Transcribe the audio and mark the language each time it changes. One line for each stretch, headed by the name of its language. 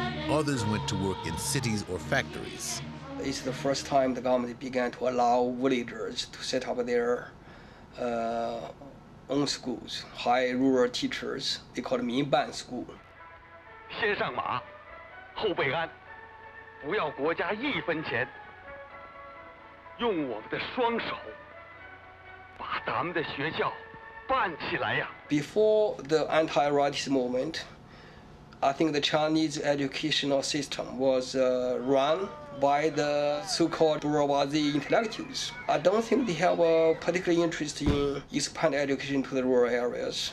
English: Others went to work in cities or factories. It's the first time the government began to allow villagers to set up their own schools, high rural teachers. They call it Minban School.
Chinese: 先上马, 后备安, 不要国家一分钱, 用我们的双手, 把咱们的学校办起来呀。
English: Before the anti-rightist movement, I think the Chinese educational system was run by the so-called bourgeoisie intellectuals. I don't think they have a particular interest in expanding education to the rural areas.